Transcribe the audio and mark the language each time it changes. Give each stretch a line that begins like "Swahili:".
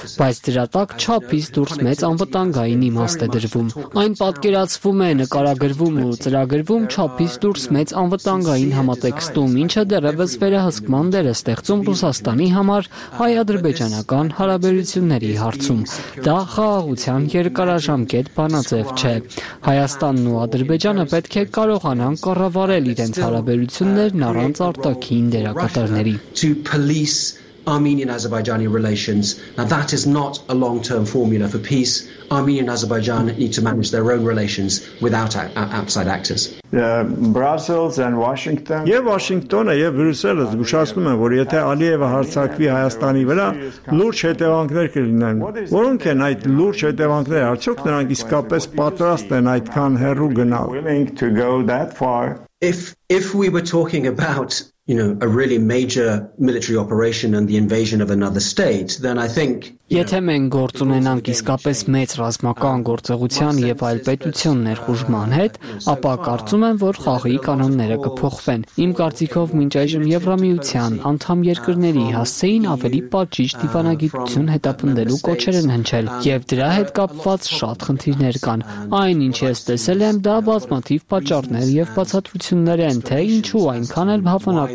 Armenian: բայց դրա տակ չափից դուրս մեծ անվտանգային իմաստ է դրվում։ Այն պատկերացվում է, նկարագրվում ու ծրագրվում չափից դուրս մեծ անվտանգային համատեքստում, ինչը դեռևս վերահսկման դեր է ստեղծում Ռուսաստանի համար հայ-ադրբեջանական հարաբերությունների հարցում։ Դա խաղաղության երկարաժամկետ բանաձև չէ։ Հայաստանն ու Ադրբեջանը պետք է կարողանան կառավարել իրենց հարաբերություններն առանց արտաքին դերակատարների։
English: Armenian-Azerbaijani relations. Now that is not a long-term formula for peace. Armenian and Azerbaijan need to manage their own relations without outside actors. Brussels and Washington.
Armenian: Եվ Վաշինգտոնը եւ Բրյուսելը զգուշացնում են, որ եթե Ալիևը հարձակվի Հայաստանի վրա, լուրջ հետևանքներ կլինեն։ Որոնք են այդ լուրջ հետևանքները, արդյոք նրանք իսկապես պատրաստ են այդքան հեռու գնալ։
English: If we were talking about a really major military operation and the invasion of another state, then I think
Armenian: Եթե մենք գործ ունենանք իսկապես մեծ ռազմական գործողության եւ այլ պետություն ներխուժման հետ, ապա կարծում եմ, որ խաղի կանոնները կփոխվեն։ Իմ կարծիքով մինչ այժմ Եվրամիության անդամ երկրների հասցեին ավելի պատճիճ դիվանագիտություն հետապնդելու կոչեր են հնչել, եւ դրա հետ կապված շատ խնդիրներ կան։ Այնինչ ես տեսել եմ, դա բազմաթիվ պատճառներ եւ բացատրություններ են, թե ինչու այնքան էլ հավանական